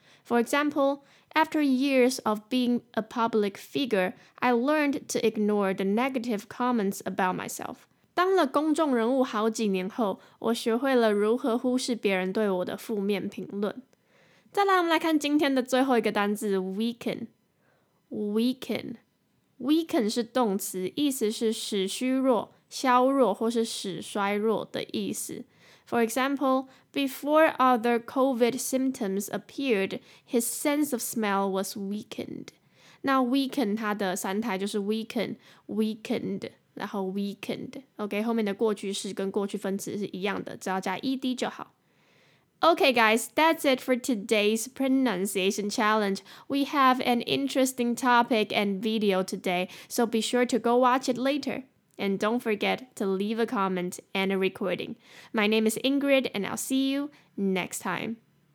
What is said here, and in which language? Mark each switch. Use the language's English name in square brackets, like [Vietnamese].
[English] For example, after years of being a public figure, I learned to ignore the negative comments about myself. [Chinese] 当了公众人物好几年后，我学会了如何忽视别人对我的负面评论。再来，我们来看今天的最后一个单字 weaken。weaken 是动词，意思是使虚弱、削弱或是使衰弱的意思。 [English] For example, before other COVID symptoms appeared, his sense of smell was weakened. [Chinese] 那 weaken 它的三态就是 weakened, 然后 weakened. OK, 后面的过去式跟过去分词是一样的，只要加 ed 就好。 [English] OK guys, that's it for today's pronunciation challenge. We have an interesting topic and video today, so be sure to go watch it later. And don't forget to leave a comment and a recording. My name is Ingrid, and I'll see you next time.